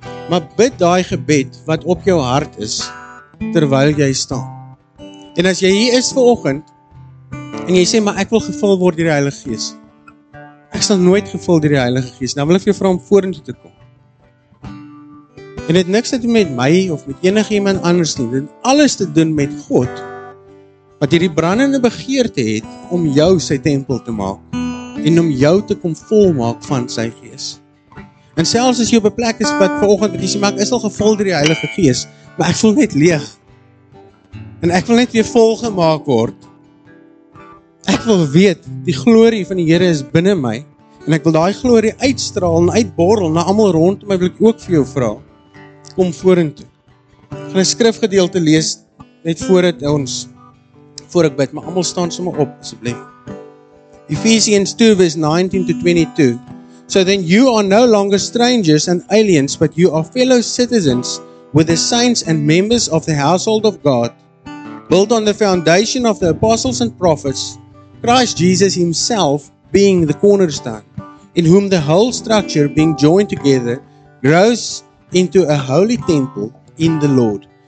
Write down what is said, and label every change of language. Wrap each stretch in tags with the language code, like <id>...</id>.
<af>Maar bid daai gebed wat op jou hart is, terwyl jy staan. En as jy hier is vanoggend, en jy sê, maar ek wil gevul word deur die Heilige Gees. Ek is nog nooit gevul deur die Heilige Gees. Nou wil ek vir jou vra om vorentoe te kom. En dit niks te doen met my of met enige iemand anders nie. Dit alles te doen met God, wat hierdie brandende begeerte het om jou sy tempel te maak en om jou te kom volmaak van sy Gees. En selfs as jy op 'n plek is wat vanoggend jy sê, maar ek is al gevul deur die Heilige Gees, maar ek voel net leeg. En ek wil net weer volgemaak word. Ek wil weet, die glorie van die Here is binne my en ek wil daai glorie uitstraal en uitborrel na almal rondom my, wil ek ook vir jou vra. Kom vorentoe. Ek gaan 'n skrifgedeelte lees net voordat ons voor ek bid, maar almal staan sommer op asseblief.</af> <en>Ephesians 2 verse 19 to 22. So then you are no longer strangers and aliens, but you are fellow citizens with the saints and members of the household of God, built on the foundation of the apostles and prophets. Christ Jesus himself being the cornerstone, in whom the whole structure being joined together grows into a holy temple in the Lord.</en>